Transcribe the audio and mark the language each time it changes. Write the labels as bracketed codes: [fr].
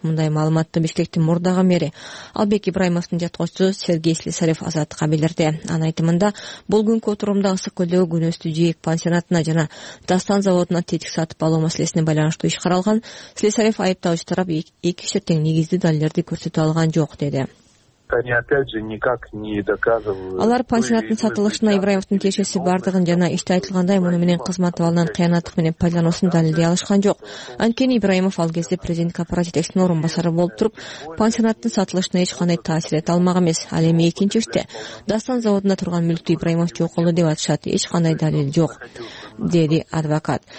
[ky] Мындай маалыматты Бишкектин мурдагы мэри Албек Ибраимовдун жаткочусу Сергей Слесарев Азаттыкка билдирди. Анын айтымында бул күнкү отурумда Ысык Көлдөгү күнөөстү жээк пансионатына жана Дастан заводуна тетик сатып алуу маселесине байланыштуу иш каралган. Слесарев айыпталуучу тарап 2 киши тең негиздүү далилдерди көрсөтө алган жок деди. [ru] Они опять же никак не доказывают. [ky] Алар пансионаттын сатылышына Ибраимовдун тиешеси бардыгын жана иште айтылгандай муну менен кызмат абалынан кыянаттык менен пайдалануусун далилдей алышкан жок. Анткени Ибраимов ал кезде президенттик аппарат жетекчисинин орун басары болуп туруп, пансионаттын сатылышына эч кандай таасир эте алмак эмес. Ал эми экинчи иште Дастан заводунда турган мүлктү Ибраимов жоголду деп атышат, эч кандай далил жок, деди адвокат.